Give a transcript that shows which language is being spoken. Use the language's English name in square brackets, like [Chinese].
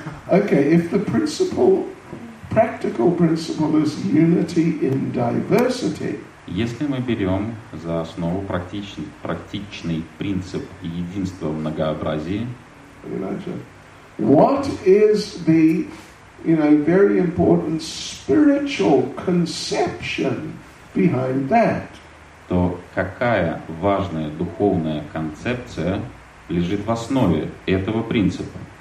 [English] Okay, if the practical principle is unity in diversity. [Russian] Если мы берем за основу практичный принцип единства в многообразии. [English] What is the very important spiritual conception behind that. [Russian] То какая важная духовная концепция лежит в основе этого принципа?